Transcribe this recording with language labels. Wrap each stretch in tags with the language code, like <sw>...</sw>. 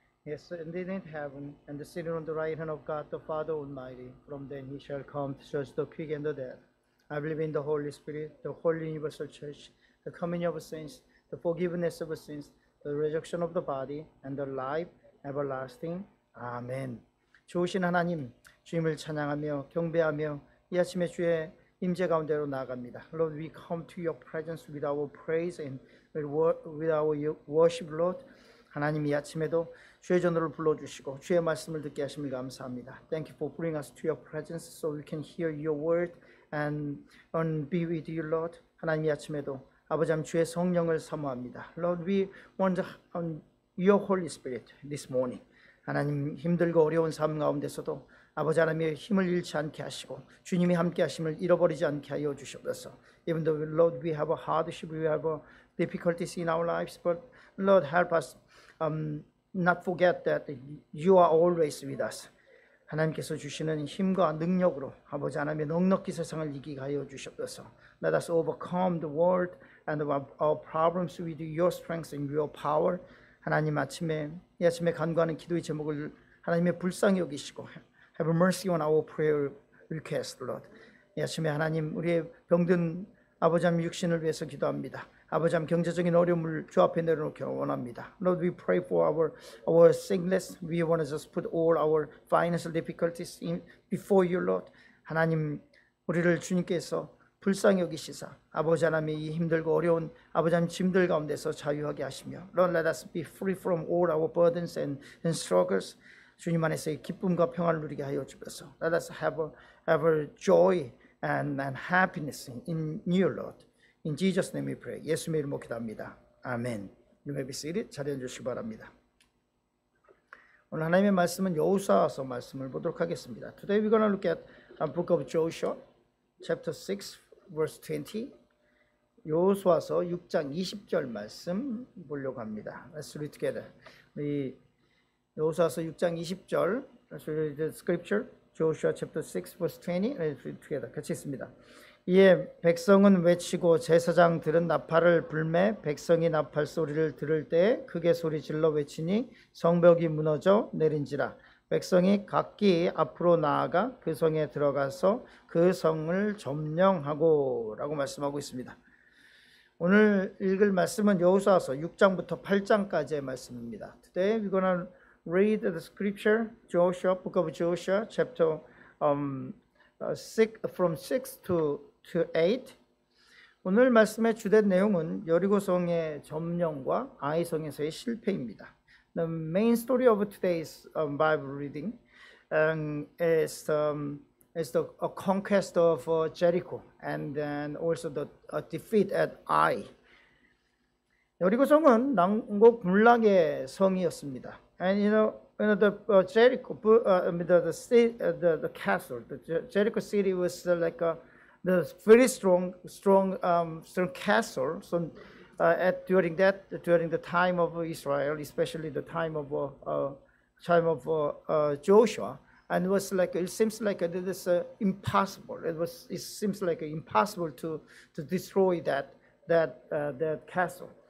<en>He ascended into heaven, and is sitting on the right hand of God, the Father Almighty. From then he shall come to judge the quick and the dead. I believe in the Holy Spirit, the Holy Universal Church, the communion of saints, the forgiveness of sins, the resurrection of the body, and the life everlasting. Amen.</en> <ko>좋으신 하나님, 주님을 찬양하며 경배하며 이 아침에 주의 임재 가운데로 나아갑니다.</ko> <en>Lord, we come to your presence with our praise and with our worship, Lord.</en> <ko>하나님, 이 아침에도 주의 전도를 불러주시고 주의 말씀을 듣게 하심을 감사합니다.</ko> <en>Thank you for bringing us to your presence so we can hear your word and be with you, Lord.</en> <ko>하나님, 이 아침에도 아버지 하나님 주의 성령을 사모합니다.</ko> <en>Lord, we want your Holy Spirit this morning.</en> <ko>하나님, 힘들고 어려운 삶 가운데서도 아버지 하나님의 힘을 잃지 않게 하시고 주님이 함께 하심을 잃어버리지 않게 하여 주시옵소서.</ko> <en>Even though, Lord, we have a hardship, we have a difficulties in our lives, but Lord, help us not forget that you are always with us.</en> <ko>하나님께서 주시는 힘과 능력으로 아버지 하나님의 넉넉히 세상을 이기게 하여 주시옵소서.</ko> <en>Let us overcome the world and our problems with your strength and your power.</en> <ko>하나님, 아침에 이 아침에 간구하는 기도의 제목을 하나님의 불쌍히 여기시고</ko> <en>Have mercy on our prayer request, Lord.</en> <ko>이 아침에 하나님, 우리의 병든 아버지 육신을 위해서 기도합니다. 아버지 경제적인 어려움을 주 앞에 내려놓기를 원합니다.</ko> <en>Lord, we pray for our sickness. We want to just put all our financial difficulties in before you, Lord.</en> <ko>하나님, 우리를 주님께서 불쌍히 여기시사 아버지 하나님 이 힘들고 어려운 아버지 하나님 짐들 가운데서 자유하게 하시며</ko> <en>Lord, let us be free from all our burdens and struggles.</en> <ko>주님 안에서의 기쁨과 평안을 누리게 하여 주소서.</ko> <en>Let us have a joy and happiness in you, Lord. In Jesus' name we pray.</en> <ko>예수님의 이름으로 기도합니다. 아멘.</ko> <en>You may be seated.</en> <ko>자리해 주시기 바랍니다. 오늘 하나님의 말씀은 여호수아서 말씀을 보도록 하겠습니다.</ko> <en>Today we're going to look at the book of Joshua. Chapter 6, verse 20.</en> <ko>여호수아서 6장 20절 말씀 보려고 합니다.</ko> <en>Let's read together.</en> <ko>여호수아서 6장 20절.</ko> <en>Let's read the scripture. Joshua chapter 6, verse 20. Let's read together.</en> <ko>같이 읽습니다. 이에 백성은 외치고 제사장들은 나팔을 불매 백성이 나팔 소리를 들을 때 크게 소리 질러 외치니 성벽이 무너져 내린지라. 백성이 각기 앞으로 나아가 그 성에 들어가서 그 성을 점령하고 라고 말씀하고 있습니다. 오늘 읽을 말씀은 여호수아서 6장부터 8장까지의 말씀입니다.</ko> <en>Today we're going to read the scripture, Joshua, book of Joshua, chapter 6, from 6 to 8.</en> <ko>오늘 말씀의 주된 내용은 여리고성의 점령과 아이성에서의 실패입니다.</ko> <en>The main story of today's Bible reading is the conquest of Jericho and then also the defeat at Ai.</en> <ko>여리고성은 남국 군락의 성이었습니다.</ko> <en>And you know the Jericho city was like the very strong castle. So during the time of Israel, especially the time of Joshua, and it seems like impossible to destroy that castle.</en>